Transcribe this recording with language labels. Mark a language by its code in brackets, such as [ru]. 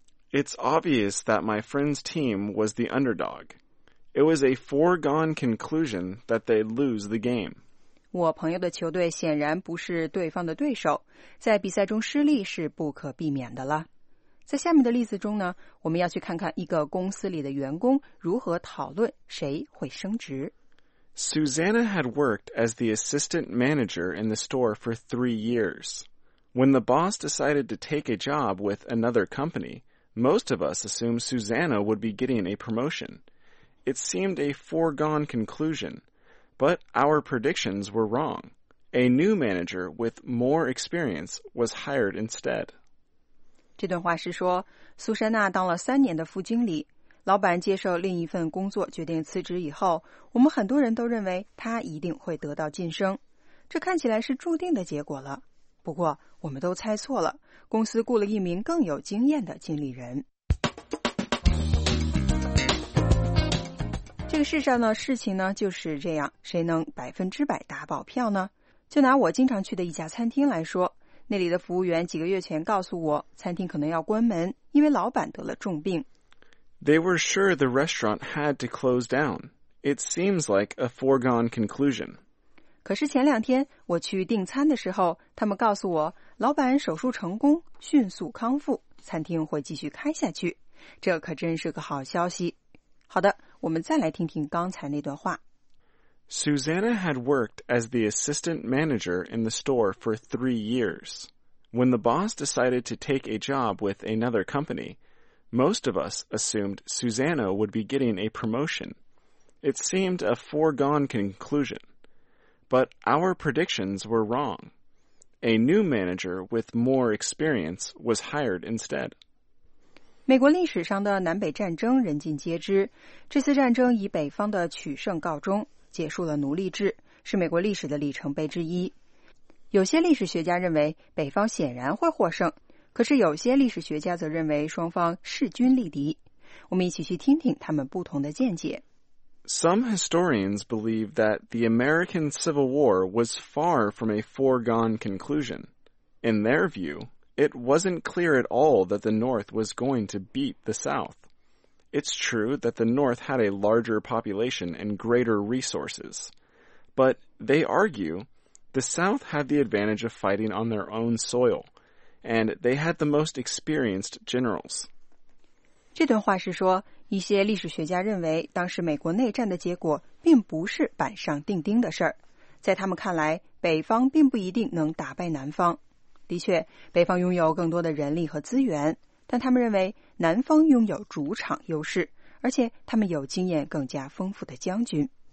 [en] It's obvious that my friend's team was the underdog. It was a foregone conclusion that they'd lose the game. [zh] 我朋友的球队显然不是对方的对手，在比赛中失利是不可避免的了。在下面的例子中呢，我们要去看看一个公司里的员工如何讨论谁会升职。 [en] Susanna had worked as the assistant manager in the store for 3 years. When the boss decided to take a job with another company, most of us assumed Susanna would be getting a promotion. It seemed a foregone conclusion. But our predictions were wrong. A new manager with more experience was hired instead. [zh] 这段话是说，苏珊娜当了3年的副经理，老板接受另一份工作决定辞职以后，我们很多人都认为她一定会得到晋升。这看起来是注定的结果了。不过，我们都猜错了，公司雇了一名更有经验的经理人。这个世上呢，事情呢就是这样，谁能100%打保票呢？就拿我经常去的一家餐厅来说，那里的服务员几个月前告诉我，餐厅可能要关门，因为老板得了重病。 [en] They were sure the restaurant had to close down. It seems like a foregone conclusion. [zh] 可是前两天我去订餐的时候，他们告诉我，老板手术成功，迅速康复，餐厅会继续开下去。这可真是个好消息。好的，我们再来听听刚才那段话。 [en] Susanna had worked as the assistant manager in the store for 3 years. When the boss decided to take a job with another company, most of us assumed Susanna would be getting a promotion. It seemed a foregone conclusion. But our predictions were wrong. A new manager with more experience was hired instead. [zh] 美国历史上的南北战争人尽皆知，这次战争以北方的取胜告终，结束了奴隶制，是美国历史的里程碑之一。有些历史学家认为北方显然会获胜，可是有些历史学家则认为双方势均力敌。我们一起去听听他们不同的见解。 [en] Some historians believe that the American Civil War was far from a foregone conclusion. In their view,It wasn't clear at all that the North was going to beat the South. It's true that the North had a larger population and greater resources. But, they argue, the South had the advantage of fighting on their own soil, and they had the most experienced generals. [zh] 这段话是说，一些历史学家认为当时美国内战的结果并不是板上钉钉的事儿。在他们看来，北方并不一定能打败南方。的确，北方拥有更多的人力和资源，但他们认为南方拥有主场优势，而且他们有经验更加丰富的将军。